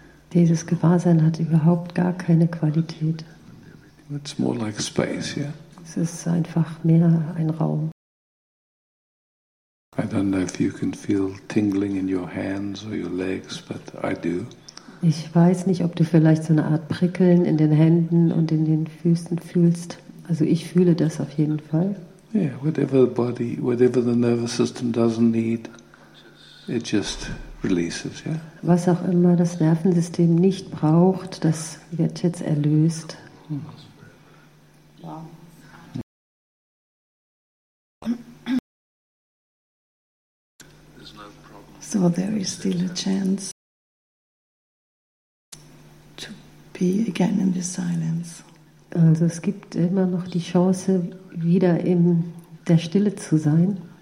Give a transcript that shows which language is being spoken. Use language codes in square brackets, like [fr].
[de] Dieses Gewahrsein hat überhaupt gar keine Qualität. [en] It's more like space, yeah? [de] Es ist einfach mehr ein Raum. [en] I don't know if you can feel tingling in your hands or your legs, but I do. [de] Ich weiß nicht, ob du vielleicht so eine Art Prickeln in den Händen und in den Füßen fühlst. Also ich fühle das auf jeden Fall. [en] Yeah, whatever the body, whatever the nervous system doesn't need, it just releases, yeah? [de] Was auch immer das Nervensystem nicht braucht, das wird jetzt erlöst. [en] Wow. So there is still a chance to be again in the silence. [de] Also es gibt immer noch die Chance, wieder in der Stille zu sein.